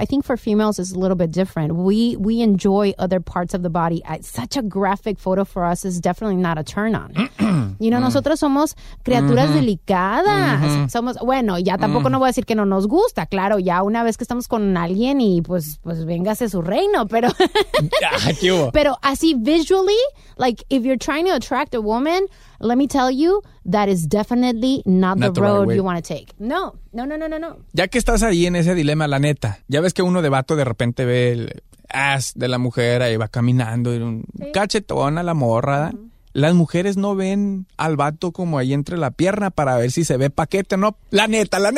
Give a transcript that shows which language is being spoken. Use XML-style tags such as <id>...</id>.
<en>I think for females it's a little bit different. We enjoy other parts of the body. Such a graphic photo for us is definitely not a turn on. You know,</en> <es>nosotros somos criaturas delicadas. Somos, bueno, ya tampoco no voy a decir que no nos gusta. Claro, ya una vez que estamos con alguien y pues véngase su reino, pero... ¿Qué hubo? Pero así</es> <en>visually, like, if you're trying to attract a woman, let me tell you, that is definitely not the road you want to take. No.</en> <es>Ya que estás ahí en ese dilema, la neta, ya ves que uno de vato de repente ve el ass de la mujer ahí va caminando, y un cachetón a la morra. Las mujeres no ven al vato como ahí entre la pierna para ver si se ve paquete o no. La neta.</es>